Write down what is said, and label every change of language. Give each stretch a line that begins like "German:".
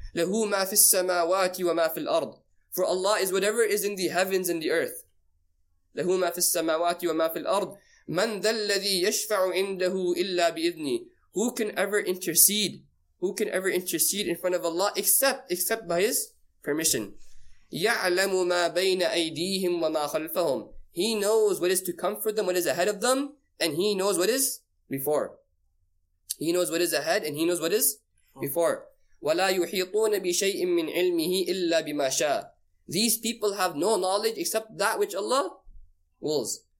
Arabic: له ما في السماوات وما في الأرض.
English: For Allah is whatever is in the heavens and the earth.
Arabic: له ما في السماوات وما في الأرض. من ذا الذي يشفع عنده إلا بإذني.
English: Who can ever intercede? Who can ever intercede in front of Allah except by His permission?
Arabic: يعلم ما بين أيديهم وما خلفهم.
English: He knows what is to come for them, what is ahead of them, and He knows what is before. He knows what is ahead, and He knows what is before.
Arabic: وَلَا يُحِيطُونَ بِشَيْءٍ مِّنْ عِلْمِهِ إِلَّا بِمَا شَاءَ.
English: These people have no knowledge except that which Allah wills.